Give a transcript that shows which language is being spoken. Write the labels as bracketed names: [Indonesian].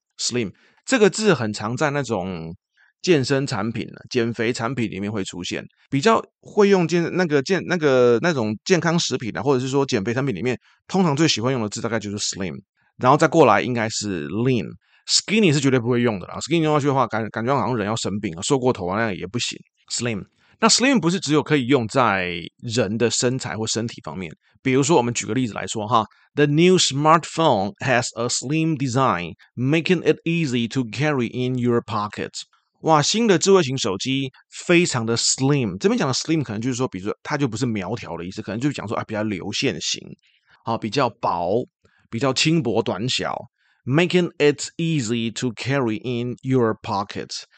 [Chinese] Slim 这个字很常在那种健身产品、减肥产品里面会出现，比较会用健那个健那个那种健康食品或者是说减肥产品里面，通常最喜欢用的字大概就是 slim。然后再过来应该是 lean。Skinny 是绝对不会用的啦，skinny 用下去的话，感觉好像人要生病啊，瘦过头啊，那样也不行。 [English] Slim。 [Chinese] 那 slim 不是只有可以用在人的身材或身体方面，比如说我们举个例子来说哈， [English] The new smartphone has a slim design, making it easy to carry in your pocket。 [Chinese] 哇，新的智慧型手机非常的 slim。这边讲的 slim 可能就是说，比如说它就不是苗条的意思，可能就是讲说比较流线型，好，比较薄，比较轻薄短小， [English] making it easy to carry in your pocket。